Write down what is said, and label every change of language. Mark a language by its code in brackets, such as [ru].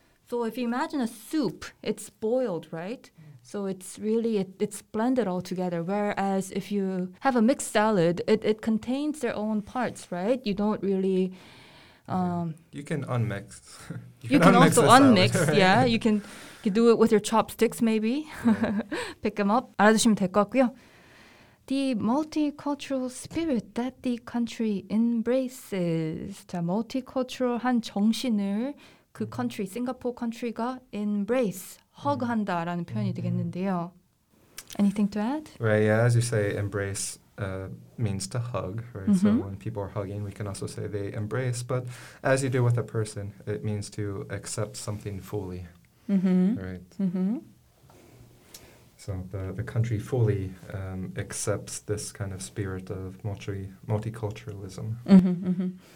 [en] So if you imagine a soup, it's boiled, right? So it's really, it's blended all together. Whereas if you have a mixed salad, it contains their own parts, right? You don't really... You can unmix. you can also unmix, right? Yeah, you can do it with your chopsticks, maybe. Pick them up. [ko] 알아두시면 될 것 같고요. [en] The multicultural spirit that the country embraces. [ko] 자, multicultural한 정신을 그 country, Singapore country가 embrace. Hug한다라는 표현이 되겠는데요. [en] Anything to add? Right, yeah, as you say, embrace means to hug, right? So when people are hugging, we can also say they embrace. But as you do with a person, it means to accept something fully, right? So the country fully accepts this kind of spirit of multiculturalism.